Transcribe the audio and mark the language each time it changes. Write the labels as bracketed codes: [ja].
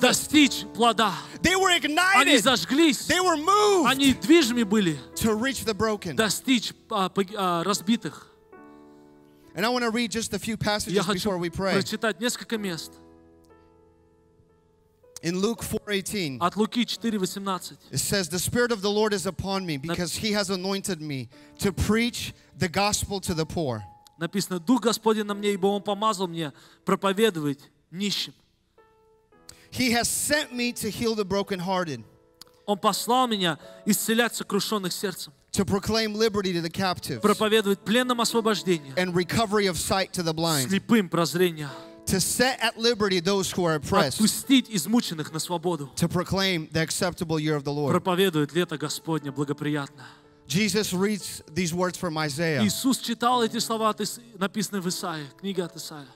[ru] достичь плода. [en] They were ignited, [ru] они зажглись, [en] they were moved, [ru] они движимы были, [en] to reach the broken, [ru] достичь разбитых. [en] And I want to read just a few passages before we pray. [ru] Я хочу прочитать несколько мест. [en] In Luke 4:18, [ru] от Луки 4:18, [en] it says, "The Spirit of the Lord is upon me, because He has anointed me to preach the gospel to the poor." [ru] Написано, Дух Господень на мне, ибо Он помазал мне проповедовать нищим. [en] He has sent me to heal the brokenhearted. [ru] Он послал меня исцелять сокрушенных сердцем. [en] To proclaim liberty to the captives. [ru] Проповедовать пленным освобождение. [en] And recovery of sight to the blind. [ru] Слепым прозрение. [en] To set at liberty those who are oppressed. [ru] Отпустить измученных на свободу. [en] To proclaim the acceptable year of the Lord. [ru] Проповедует лето Господне благоприятно. [en] Jesus reads these words from Isaiah. [ru] Иисус читал эти слова, написанные в Исаии, книге от Исаии.